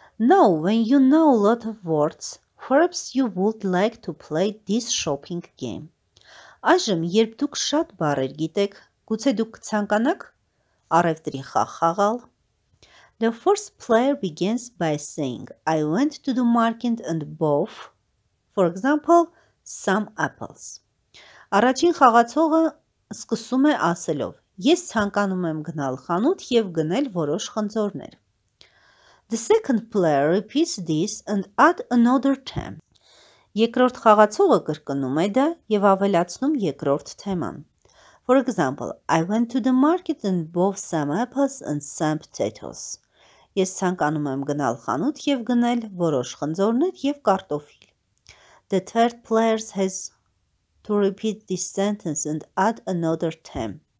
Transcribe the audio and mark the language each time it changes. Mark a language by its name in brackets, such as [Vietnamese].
[English] No, when you know a lot of words, perhaps you would like to play this shopping game. [Armenian] Այժմ, երբ դուք շատ բառեր գիտեք, գուցե դուք կցանկանաք առևտրի խաղալ? [English] The first player begins by saying, I went to the market and bought, for example, some apples. [Armenian] Առաջին խաղացողը սկսում է ասելով, ես ցանկանում եմ գնալ խանութ և գնել որոշ խնձորներ. [English] The second player repeats this and adds another theme. [Armenian] Երկրորդ խաղացողը կրկնում է դա և ավելացնում երկրորդ թեման. [English] For example, I went to the market and bought some apples and some potatoes. [Armenian] Ես ցանկանում եմ գնալ խանութ և գնել որոշ խնձորներ և կարտոֆիլ. [English] The third player has to repeat this sentence and add another theme.